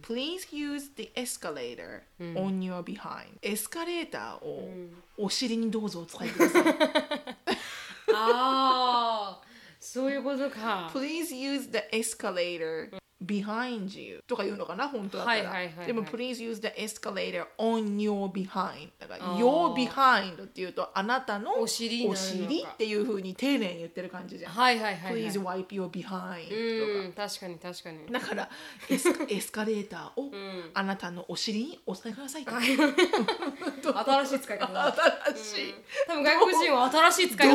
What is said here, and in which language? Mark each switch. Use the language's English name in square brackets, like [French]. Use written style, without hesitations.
[English] Please use the escalator on your behind、 [Japanese] うん、エスカレーターをお尻にどうぞお使いください、うん、あーそういうことか、 [English] Please use the escalator behind you [Japanese] とか言うのかな本当だったら、はいはいはいはい、でも [English] Please use the escalator on your behind、 [Japanese] だから [English] your behind [Japanese] っていうとあなたのお尻、お尻っていう風に丁寧に言ってる感じじゃん、はいはいはいはい、 [English] Please wipe your behind [Japanese] とか、うん、確かに確かに、だからエスカレーターをあなたのお尻にお使いくださいって新しい使い方、新しい、うん、多分外国人は新しい使い方